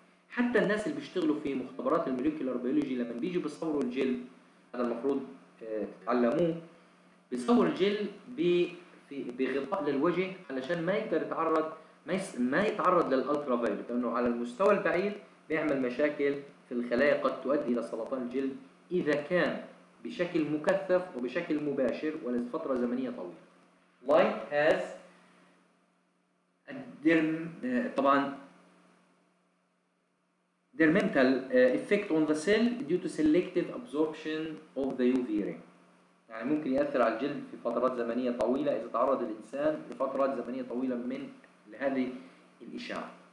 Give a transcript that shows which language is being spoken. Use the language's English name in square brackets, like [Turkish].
[Arabic] حتى الناس اللي بيشتغلوا في مختبرات الموليكولار بيولوجي لما بيجوا بيصوروا الجل هذا المفروض تتعلموه بيصور الجل بغطاء للوجه علشان ما يقدر يتعرض ما يتعرض للألترا فايولت لأنه على المستوى البعيد بيعمل مشاكل في الخلايا قد تؤدي إلى سرطان الجلد إذا كان بشكل مكثف وبشكل مباشر ولفترة زمنية طويلة. [English] Light has a detrimental effect on the cell due to selective absorption of the UV ray. [Arabic] يعني ممكن يأثر على الجلد في فترات زمنية طويلة إذا تعرض الإنسان لفترات زمنية طويلة من لهذه الإشعة.